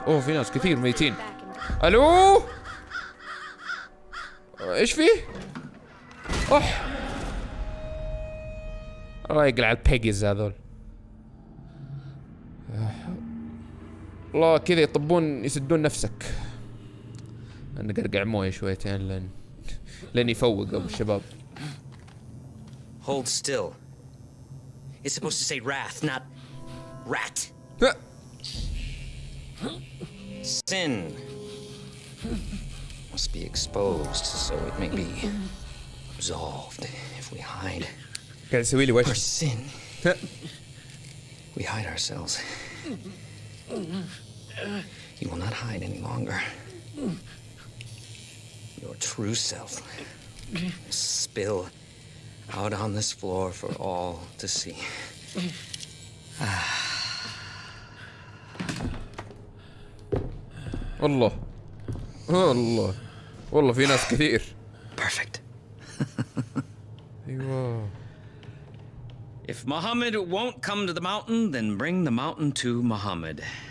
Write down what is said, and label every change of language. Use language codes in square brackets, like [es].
[ar] اوه في ناس كثير ميتين. الو ايش فيه؟ اوه الله يقلع البيجز هذول. الله كذا يطبون يسدون نفسك. انا قرقع مويه شويتين لين يفوق ابو الشباب. [en] Hold still. It's supposed to say wrath, not rat. Sin must be exposed so it may be absolved if we hide. [ar] قاعد يسوي لي وجه. [en] For sin. We hide ourselves. You will not hide any longer. Your true self will spill out on this floor for all to see. [ar] والله والله والله في ناس كثير. [en] Perfect. [ar] ايوه. [en] If Muhammad won't come to the mountain, then bring the mountain to Muhammad.